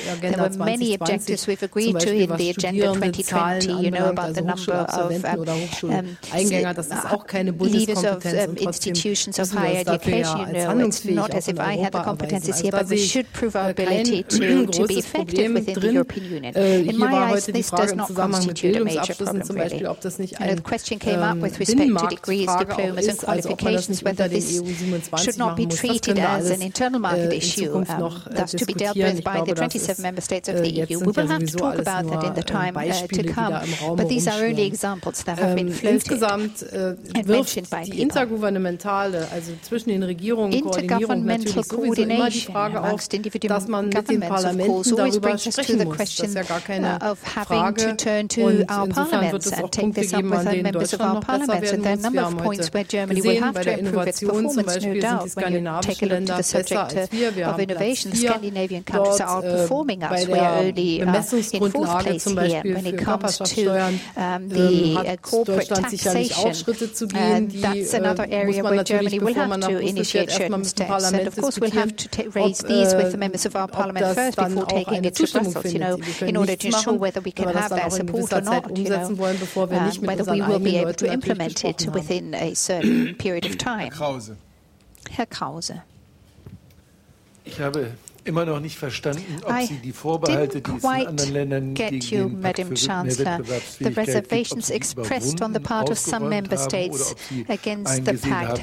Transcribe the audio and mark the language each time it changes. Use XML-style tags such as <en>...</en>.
<en>There were many objectives we've agreed to in the Agenda 2020, you know, about the number of leaders of institutions of higher education, you know, it's not as if I had the competences here, but we should prove our ability to be effective within the European Union.</en> <de>Hier war heute die Frage im Zusammenhang mit Bildungsabschlüssen zum Beispiel, ob das nicht eine Binnenmarktfrage auch ist, also ob man das nicht hinter den EU-27 machen muss. Das können wir alles in Zukunft noch diskutieren. Ich glaube, das ist jetzt ja sowieso alles nur Beispiele, die da im Raum herumschwirren. Insgesamt wirft die intergouvernementale, also zwischen den Regierungen Koordinierung natürlich sowieso immer die Frage auf, dass man mit den Parlamenten darüber sprechen muss. Das ist ja gar keine Frage. Und insofern wird es auch Punkte geben, an denen Deutschland noch besser werden muss. Wir haben heute gesehen, bei der Innovation zum Beispiel sind die skandinavischen Länder besser als wir. Wir haben Platz 4 bei der Bemessungsgrundlage zum Beispiel für Körperschaftssteuern. Hat Deutschland sicherlich auch Schritte zu gehen, die muss man natürlich, bevor man nach Brüssel fährt, erstmal mit dem Parlament diskutieren, ob das dann auch eine Zustimmung findet.</de> <en>In order to ensure whether we can have their support or not, you know, whether we will be able to implement it within a certain period of time.</en> <de>Herr Krause. Ich habe immer noch nicht verstanden, ob Sie die Vorbehalte, die es in anderen Ländern gegen den Pakt für Wettbewerbsfähigkeit gibt,</de> <en>reservations expressed on the part of some member states against the pact.</en>